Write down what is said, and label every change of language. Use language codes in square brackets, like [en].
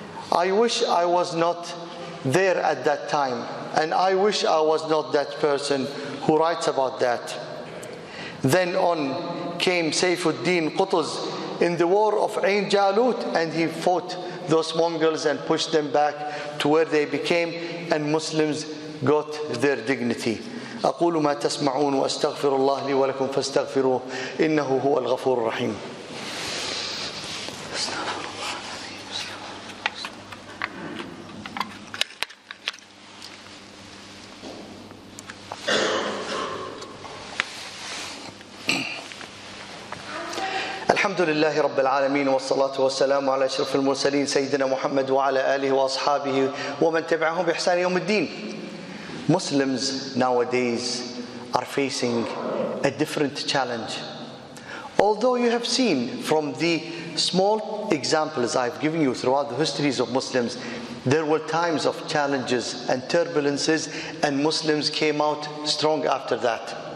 [en] I wish I was not there at that time, and I wish I was not that person who writes about that. Then on came Saifuddin Qutuz in the war of Ain Jalut, and he fought those Mongols and pushed them back to where they became, and Muslims got their dignity. [ar] أقول ما تسمعون وأستغفر الله لي ولكم فاستغفروه إنه هو الغفور الرحيم. الحمد لله رب العالمين والصلاة والسلام على أشرف المرسلين سيدنا محمد وعلى آله وأصحابه ومن تبعهم بإحسان يوم الدين. [en] Muslims nowadays are facing a different challenge. Although you have seen from the small examples I've given you throughout the histories of Muslims, there were times of challenges and turbulences, and Muslims came out strong after that.